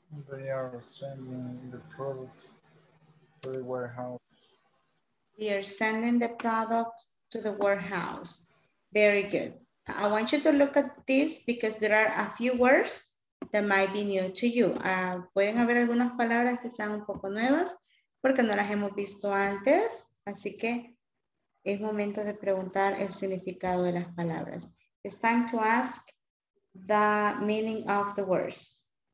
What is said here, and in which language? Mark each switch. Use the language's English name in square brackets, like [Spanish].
[English] They are sending the product to the warehouse. They are sending the product to the warehouse. Very good. I want you to look at this because there are a few words that might be new to you. [Spanish] Pueden haber algunas palabras que sean un poco nuevas porque no las hemos visto antes. Así que es momento de preguntar el significado de las palabras. [English] It's time to ask the meaning of the words.